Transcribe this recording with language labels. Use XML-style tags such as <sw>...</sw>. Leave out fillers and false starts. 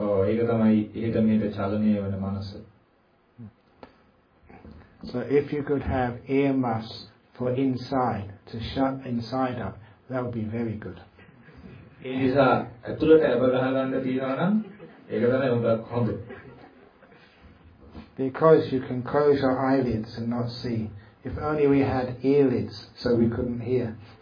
<si>ඒක තමයි එහෙට මෙහෙට චලනය වෙන මනස.</si> <en>So if you could have earmuffs for inside to shut inside up, that would be very good.</en> <si>ඒ නිසා ඇතුළට ඇබ ගහගන්න තියනවා නම් ඒක තමයි උඹට හොඳ.</si> <en>Because you can close your eyelids and not see, If only we had earlids so we couldn't hear.</en>